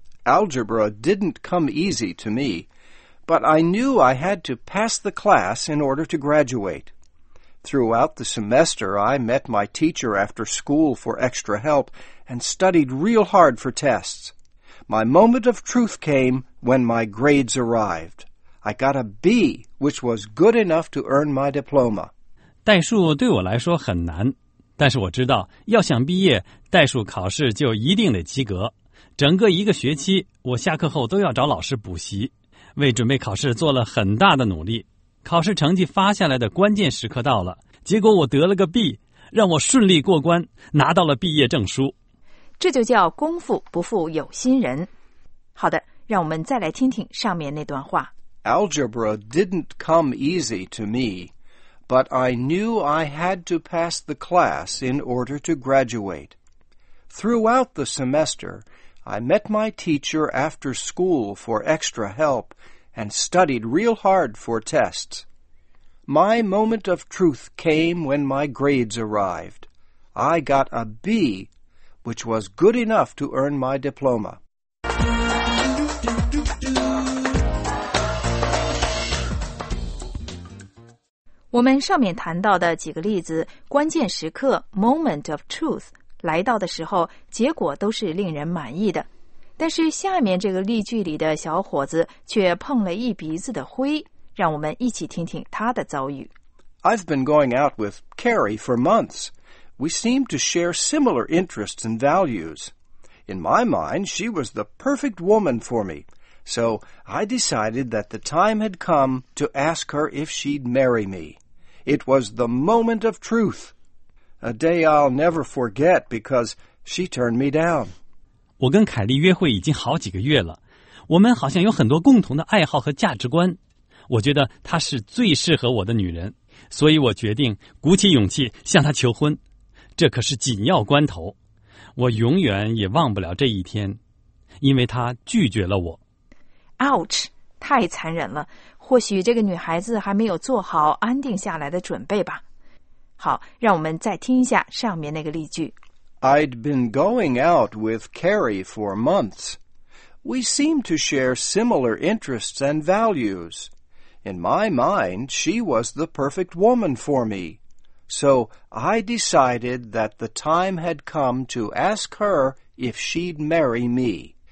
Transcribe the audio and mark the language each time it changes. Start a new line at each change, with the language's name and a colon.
English: Algebra didn't come easy to me, but I knew I had to pass the class in order to graduate. Throughout the semester, I met my teacher after school for extra help and studied real hard for tests. My moment of truth came when my grades arrived. I got a B, which was good enough to earn my diploma.
Chinese: 代数对我来说很难，但是我知道，要想毕业，代数考试就一定得及格。整个一个学期，我下课后都要找老师补习，为准备考试做了很大的努力。考试成绩发下来的关键时刻到了，结果我得了个 B， 让我顺利过关，拿到了毕业证书。这就叫功夫不负有心人。好的，让我们再来听听上面那段话。
English: Algebra didn't come easy to me, but I knew I had to pass the class in order to graduate. Throughout the semester,I met my teacher after school for extra help and studied real hard for tests. My moment of truth came when my grades arrived. I got a B, which was good enough to earn my diploma.
Chinese: 我们上面谈到的几个例子，关键时刻 moment of truth 来到的时候，结果都是令人满意的。但是下面这个例句里的小伙子却碰了一鼻子的灰，让我们一起听听他的遭遇。
English: I've been going out with Carrie for months. We seem to share similar interests and values. In my mind, she was the perfect woman for me. So I decided that the time had come to ask her if she'd marry me. It was the moment of truth. A day I'll never forget because she turned me down.
Chinese: 我跟凯莉约会已经好几个月了，我们好像有很多共同的爱好和价值观，我觉得她是最适合我的女人，所以我决定鼓起勇气向她求婚，这可是紧要关头，我永远也忘不了这一天，因为她拒绝了我。
English: Ouch，
Chinese: 太残忍了，或许这个女孩子还没有做好安定下来的准备吧。好，让我们再听一下上面那个例句。
English: I'd been going out with Carrie for months. We seemed to share similar interests and values. In my mind, she was the perfect woman for me. So I decided that the time had come to ask her if she'd marry me.